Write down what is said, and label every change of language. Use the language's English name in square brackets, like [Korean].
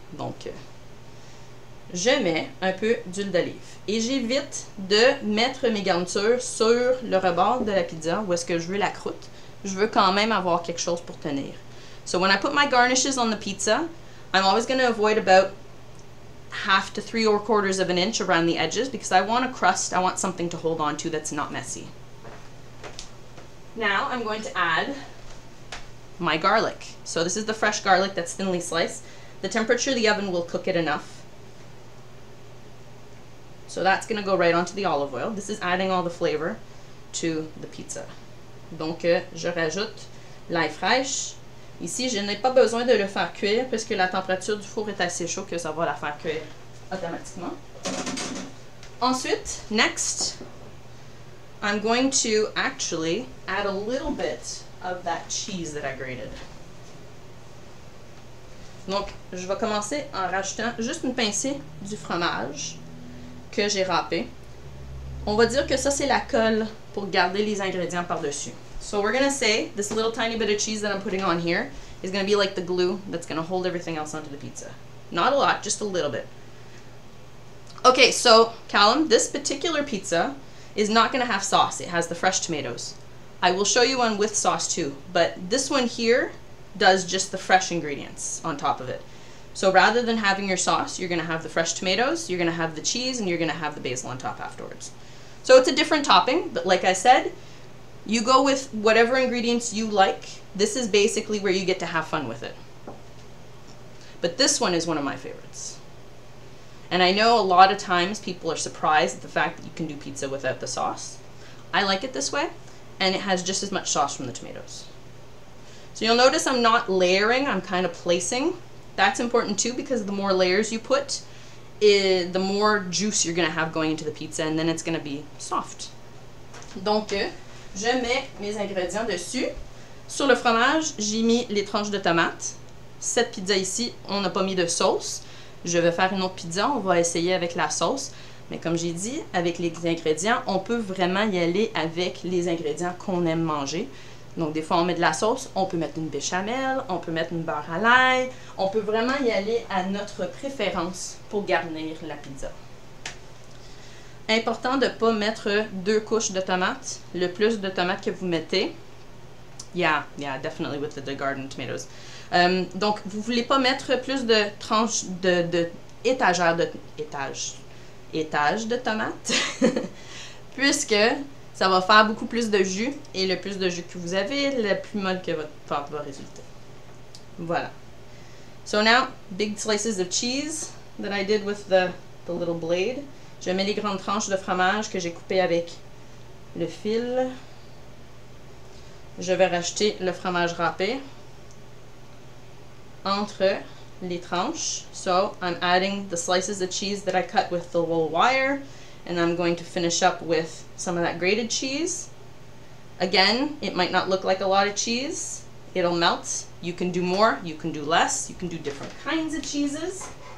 [French] Donc, je mets un peu d'huile d'olive et j'évite de mettre mes garnitures sur le rebord de la pizza où est-ce que je veux la croûte. Je veux quand même avoir quelque chose pour tenir. [English] So when I put my garnishes on the pizza, I'm always going to avoid about half to 3 quarters of an inch around the edges because I want a crust, I want something to hold on to that's not messy. Now I'm going to add my garlic. So this is the fresh garlic that's thinly sliced. The temperature of the oven will cook it enough. So that's going to go right onto the olive oil. This is adding all the flavor to the pizza. [French] Donc, je rajoute l'ail fraîche. Ici, je n'ai pas besoin de le faire cuire puisque la température du four est assez chaude que ça va la faire cuire automatiquement. [English] Ensuite, next, I'm going to actually add a little bit of that cheese that I grated. [French] Donc, je vais commencer en rajoutant juste une pincée du fromage que j'ai râpé. On va dire que ça, c'est la colle pour garder les ingrédients par-dessus. [English] So we're going to say this little tiny bit of cheese that I'm putting on here is going to be like the glue that's going to hold everything else onto the pizza. Not a lot, just a little bit. Okay, so Callum, this particular pizza is not going to have sauce. It has the fresh tomatoes. I will show you one with sauce too, but this one here does just the fresh ingredients on top of it. So rather than having your sauce, you're going to have the fresh tomatoes, you're going to have the cheese, and you're going to have the basil on top afterwards. So it's a different topping, but like I said, you go with whatever ingredients you like. This is basically where you get to have fun with it. But this one is one of my favorites. And I know a lot of times people are surprised at the fact that you can do pizza without the sauce. I like it this way, and it has just as much sauce from the tomatoes. So you'll notice I'm not layering, I'm kind of placing. That's important too, because the more layers you put, the more juice you're gonna have going into the pizza, and then it's gonna be soft. [French] Donc, je mets mes ingrédients dessus. Sur le fromage, j'ai mis les tranches de tomates. Cette pizza ici, on n'a pas mis de sauce. Je vais faire une autre pizza, on va essayer avec la sauce. Mais comme j'ai dit, avec les ingrédients, on peut vraiment y aller avec les ingrédients qu'on aime manger. Donc des fois on met de la sauce, on peut mettre une béchamel, on peut mettre une beurre à l'ail. On peut vraiment y aller à notre préférence pour garnir la pizza. Important de ne pas mettre deux couches de tomates. Le plus de tomates que vous mettez. [English] Yeah, definitely with the garden tomatoes. [French] Donc vous voulez pas mettre plus de tranches d'étages de tomates puisque ça va faire beaucoup plus de jus et le plus de jus que vous avez, le plus molle que votre pâte va résulter. Voilà. [English] So now big slices of cheese that I did with the little blade. [French] Je mets les grandes tranches de fromage que j'ai coupées avec le fil. Je vais rajouter le fromage râpé entre les tranches. [English] So I'm adding the slices of cheese that I cut with the little wire, and I'm going to finish up with some of that grated cheese. Again, it might not look like a lot of cheese. It'll melt. You can do more, you can do less, you can do different kinds of cheeses.